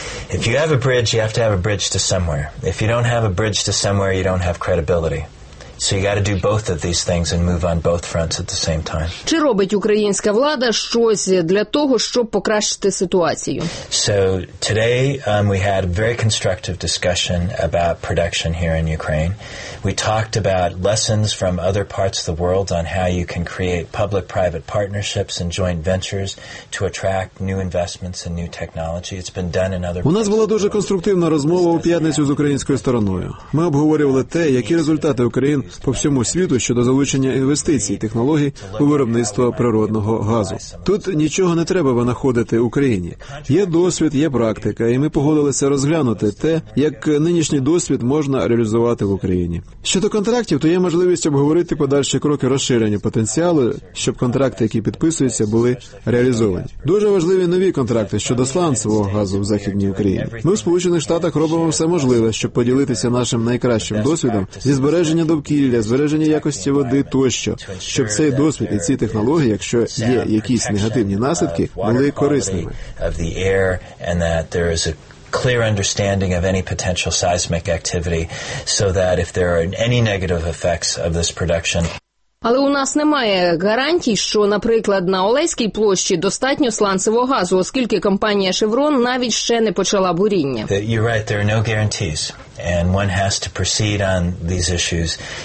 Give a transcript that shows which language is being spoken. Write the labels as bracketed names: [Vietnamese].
[English] If you have a bridge, you have to have a bridge to somewhere. If you don't have a bridge to somewhere, you don't have credibility. So you got to do both of these things and move on both fronts at the same time. [Ukrainian] Чи робить українська влада щось для того, щоб покращити ситуацію? [English] So today we had a very constructive discussion about production here in Ukraine. We talked about lessons from other parts of the world on how you can create public-private partnerships and joint ventures to attract new investments and new technology. It's been done in other. [Ukrainian] У нас була дуже конструктивна розмова у п'ятницю з українською стороною. Ми обговорювали те, які результати України по всьому світу щодо залучення інвестицій, технологій у виробництво природного газу. Тут нічого не треба винаходити Україні. Є досвід, є практика, і ми погодилися розглянути те, як нинішній досвід можна реалізувати в Україні. Щодо контрактів, то є можливість обговорити подальші кроки розширення потенціалу, щоб контракти, які підписуються, були реалізовані. Дуже важливі нові контракти щодо сланцевого газу в Західній Україні. Ми в Сполучених Штатах робимо все можливе, щоб поділитися нашим найкращим досвідом зі збереження до кілля, збереження якості води тощо, щоб цей досвід і ці технології, якщо є якісь негативні наслідки, були корисними. [English] Of the air and that there is a clear understanding of any potential seismic activity, so that if there are any negative effects of this production. [Ukrainian] Але у нас немає гарантій, що, наприклад, на Олеській площі достатньо сланцевого газу, оскільки компанія Chevron навіть ще не почала буріння. [English] You're right, there are no guarantees. And one has to proceed on these issues.